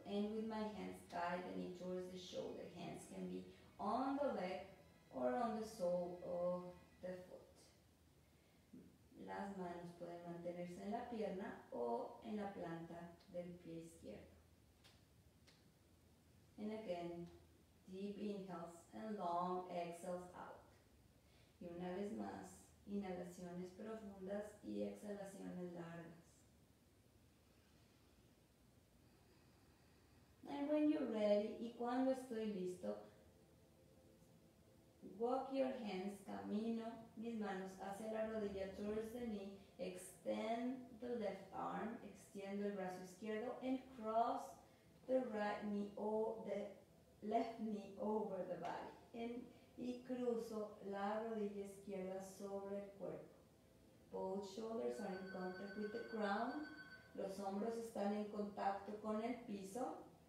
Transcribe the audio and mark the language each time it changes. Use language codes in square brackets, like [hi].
[en] And with my hands guide the knee towards the shoulder. Hands can be on the leg or on the sole of the foot. [es] Las manos pueden mantenerse en la pierna o en la planta del pie izquierdo. [en] And again, deep inhales and long exhales out. [es] Y una vez más, inhalaciones profundas y exhalaciones largas. [en] And when you're ready, [es] y cuando estoy listo, [en] walk your hands, [es] camino mis manos hacia la rodilla, [en] towards the knee, extend the left arm, [es] extiendo el brazo izquierdo, [en] and cross the right knee or the left knee over the body. [es] Y cruzo la rodilla izquierda sobre el cuerpo. [en] Both shoulders are in contact with the ground. [es] Los hombros están en contacto con el piso.